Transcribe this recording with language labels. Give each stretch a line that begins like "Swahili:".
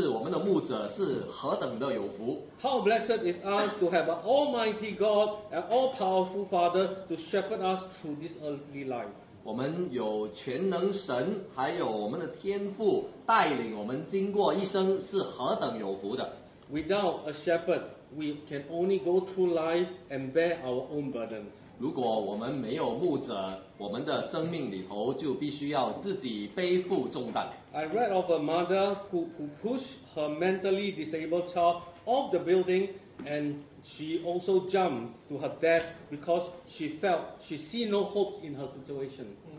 Chinese: 我们有天父在我们的生命里头带领我们、引导我们，是我们的牧者，是何等的有福。
English: How blessed is us to have an almighty God, an all-powerful Father to shepherd us through this earthly life.
Chinese: 我们有全能神，还有我们的天父带领我们经过一生，是何等有福的。
English: Without a shepherd, we can only go through life and bear our own burdens.
Chinese: 如果我们没有牧者，我们的生命里头就必须要自己背负重担。
English: I read of a mother who pushed her mentally disabled child off the building, and she also jumped to her death because she felt she see no hopes in her situation.